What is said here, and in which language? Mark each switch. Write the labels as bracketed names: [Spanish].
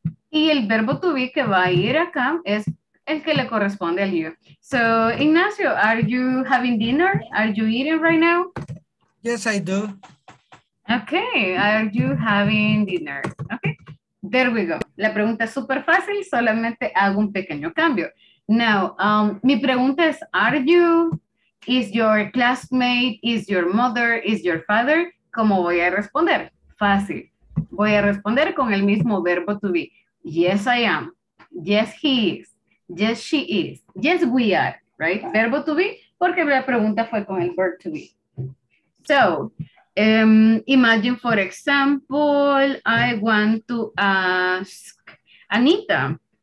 [Spanish] Y el verbo to be que va a ir acá es el que le corresponde al yo. [English] So, Ignacio, are you having dinner? Are you eating right now? Yes, I do. Okay, are you having dinner? Okay, there we go. [Spanish] La pregunta es súper fácil, solamente hago un pequeño cambio. [English] Now, [Spanish] mi pregunta es, [English] are you, is your classmate, is your mother, is your father? [Spanish] ¿Cómo voy a responder? Fácil. Voy a responder con el mismo verbo to be. [English] Yes, I am. Yes, he is. Yes, she is. Yes, we are. Right? [Spanish] Verbo to be, porque la pregunta fue con el verb to be. [English] So, imagine, for example, I want to ask Anita.